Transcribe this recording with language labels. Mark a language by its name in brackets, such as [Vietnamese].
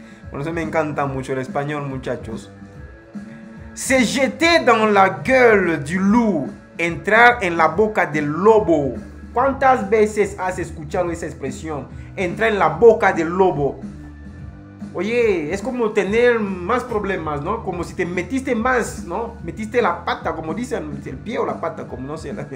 [Spanish] Por eso me encanta mucho el español, muchachos. [French] Se jeter dans la gueule du loup. [Spanish] Entrar en la boca del lobo. ¿Cuántas veces has escuchado esa expresión? Entrar en la boca del lobo. Oye, es como tener más problemas, ¿no? Como si te metiste más, ¿no? Metiste la pata, como dicen, el pie o la pata, como no sé.